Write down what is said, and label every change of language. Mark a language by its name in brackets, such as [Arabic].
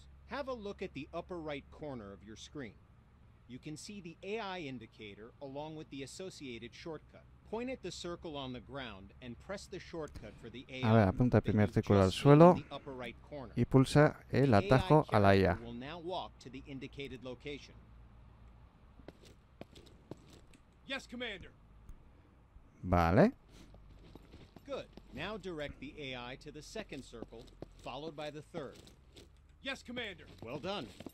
[English] Have a look at the upper right corner of your screen. You can see the AI indicator along with the associated shortcut. Point at the circle on the ground and press the shortcut for the AI. [Spanish] A ver, apunta el primer círculo al suelo y pulsa el atajo a la IA. [English] We'll now walk to the indicated location. Yes, commander. [Spanish] Vale. [English] Good. Now direct the AI to the second circle followed by the third. Yes, commander. Well done.